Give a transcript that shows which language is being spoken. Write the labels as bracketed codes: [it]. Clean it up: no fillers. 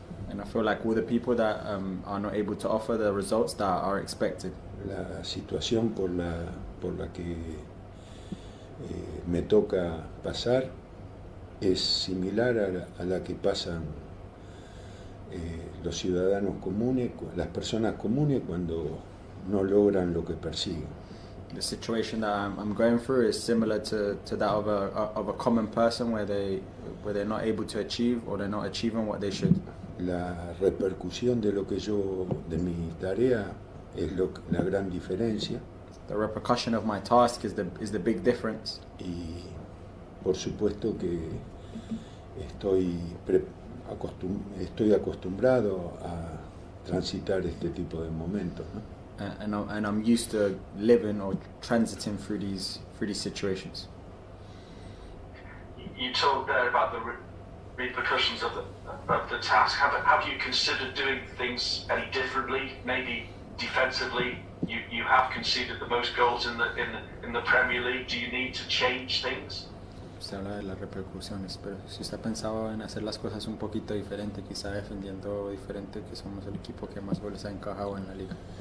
[en] And I feel like all the people that are not able to offer the results that are expected. [es] La situación por la que me toca pasar es similar a la que pasan los ciudadanos comunes, las personas comunes cuando no logran lo que persiguen. [en] The situation that I'm going through is similar to that of a common person where they're not able to achieve or they're not achieving what they should. [es] La repercusión de lo que yo, de mi tarea, es la gran diferencia. [en] The repercussion of my task is the big difference. [es] Y por supuesto que estoy acostumbrado a transitar este tipo de momentos, ¿no? [en] And I'm used to living or transiting through these situations. You talked there about the re repercussions of the task. Have you considered doing things any differently? Maybe defensively, you have conceded the most goals in the Premier League. Do you need to change things? [es] Se habla de las repercusiones, pero si usted ha pensado en hacer las cosas un poquito diferente, quizá defendiendo diferente, que somos el equipo que más goles ha encajado en la liga.